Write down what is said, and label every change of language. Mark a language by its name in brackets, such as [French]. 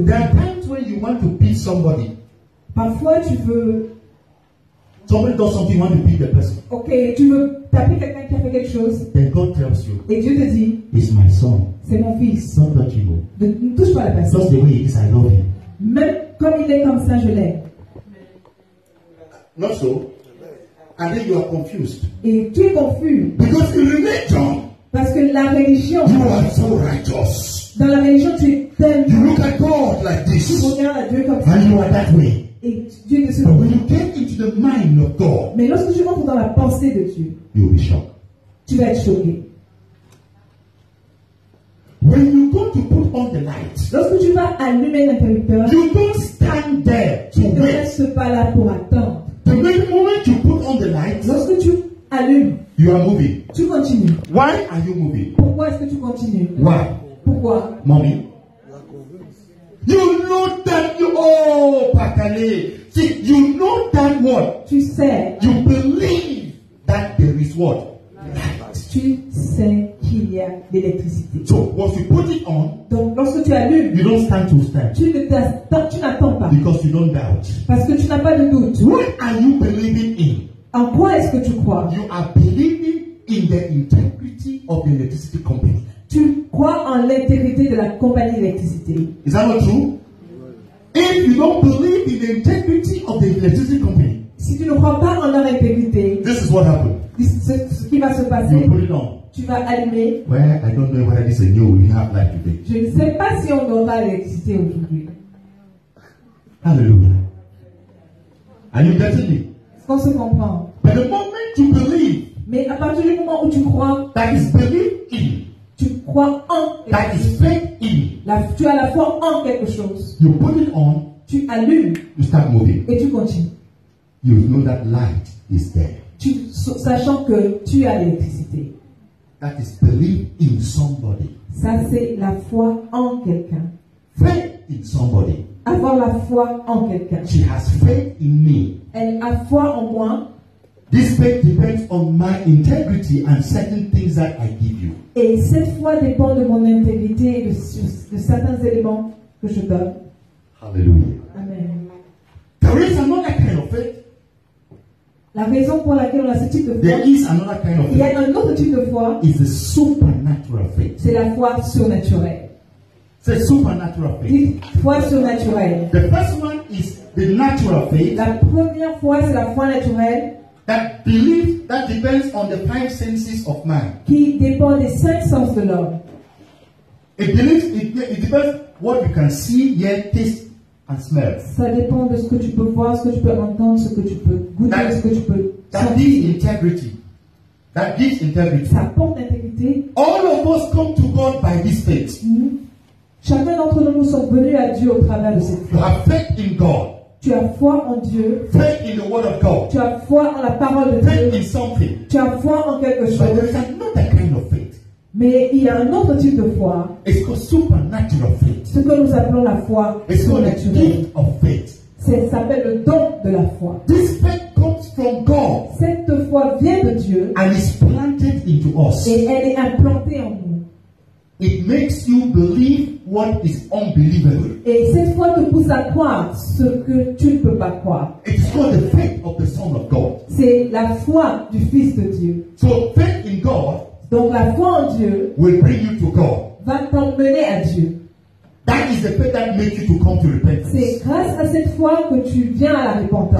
[English] there are times when you want to beat somebody. [French] Parfois tu veux. [English] Somebody does something, you want to beat the person. [French] Okay, tu veux taper quelqu'un qui a fait quelque chose. [English] Then God tells you. [French] Et Dieu te dit. [English] It's my son. [French] C'est mon fils. [English] Don't touch him. [French] Ne touche pas la personne. [English] Just the way he is, I love him. [French] Même comme il est comme ça, je l'aime. [English] Not so. And then you are confused. [French] Et tu es confus. [English] Because you remain John. [French] Parce que la religion. [English] You are so righteous. [French] Dans la religion, tu es tellement. [English] You look at God like this. [French] Tu regardes à Dieu comme [English] ça. And you are that way. [French] Et Dieu ne se. [English] But when you get into the mind of God. [French] Mais lorsque tu rentres dans la pensée de Dieu. [English] You will be shocked. [French] Tu vas être choqué. [English] When you go to put on the light, [French] lorsque tu vas allumer l'interrupteur, [English] you don't stand there to wait. [French] Tu ne restes pas là pour attendre. [English] The very moment you put on the light, [French] lorsque tu allumes, [English] you are moving. [French] Tu continues. [English] Why are you moving? [French] Pourquoi est-ce que tu continues? [English] Why? [French] Pourquoi? [English] Mommy. You know that you oh Patane. See, you know that what? [French] Tu sais. [English] You believe that there is what? [French] Light. Tu sais qu'il y a l'électricité. [English] So once you put it on, [French] donc lorsque tu allumes, [English] you don't stand to stand. [French] Tu ne t'attends, tu n'attends pas. [English] Because you don't doubt. [French] Parce que tu n'as pas de doute. [English] What are you believing in? [French] En quoi est-ce que tu crois? [English] You are believing in the integrity of the electricity company. [French] Tu crois en l'intégrité de la compagnie d'électricité. [English] Is that not true? If you don't believe in the integrity of the electricity company, [French] si tu ne crois pas en leur intégrité, [English] this is what happened. [French] C'est ce qui va se passer. [English] You put it on. [French] Tu vas allumer. [English] Well, I don't know whether this is new. We have light today. [French] Je ne sais pas si on aura l'électricité aujourd'hui. [English] Hallelujah. Are you getting me? [French] Est-ce qu'on se comprend? [English] But the moment you believe, [French] mais à partir du moment où tu crois, [English] that is believe in. [French] Tu crois en [English] that is faith in. [French] La, tu as la foi en quelque chose. [English] You put it on. [French] Tu allumes. [English] You start moving. [French] Et tu continues. [English] You know that light is there. [French] Tu, sachant que tu as l'électricité. [English] That is believe in somebody. [French] Ça c'est la foi en quelqu'un. [English] Faith in somebody. [French] Avoir la foi en quelqu'un. [English] She has faith in me. [French] Elle a foi en moi. [English] This faith depends on my integrity and certain things that I give you. [French] Et cette foi dépend de mon intégrité et de certains éléments que je donne. [English] Hallelujah. Amen. There is another kind of faith. [French] La raison pour laquelle on a ce type de foi. [English] There is another kind of faith. [French] Il y a un autre type de foi. [English] Is a supernatural faith. [French] C'est la foi surnaturelle. C'est [English] supernatural faith. [French] Foi surnaturelle. [English] The first one is the natural faith. [French] La première foi c'est la foi naturelle. [English] That belief that depends on the five senses of man. [French] Qui dépend des cinq sens de l'homme. [English] It believes it depends what you can see, hear, taste, and smell. [French] Ça dépend de ce que tu peux voir, ce que tu peux entendre, ce que tu peux goûter, ce que tu peux [English] sentir. That gives integrity. That gives integrity. [French] Ça porte l'intégrité. [English] All of us come to God by this faith. Mm-hmm. [French] Chacun d'entre nous sont venus à Dieu au travers de cette foi. [English] You have faith in God. [French] Tu as foi en Dieu. [English] Faith in the word of God. [French] Tu as foi en la parole de [English] faith Faith in something. [French] Tu as foi en quelque chose. [English] But there's another kind of faith. [French] Mais il y a un autre type de foi. [English] It's called supernatural faith. [French] Ce que nous appelons la foi surnaturelle. [English] It's called a gift of faith. [French] Ça s'appelle le don de la foi. [English] This faith comes from God. [French] Cette foi vient de Dieu. [English] And is planted into us. [French] Et elle est implantée en nous. [English] It makes you believe what is unbelievable. [French] Et cette foi te pousse à croire ce que tu ne peux pas croire. [English] It's called the faith of the Son of God. [French] C'est la foi du Fils de Dieu. [English] So faith in God. [French] Donc la foi en Dieu [English] will bring you to God. [French] Va t'emmener à Dieu. [English] That is the faith that makes you to come to repentance. [French] C'est grâce à cette foi que tu viens à la repentance.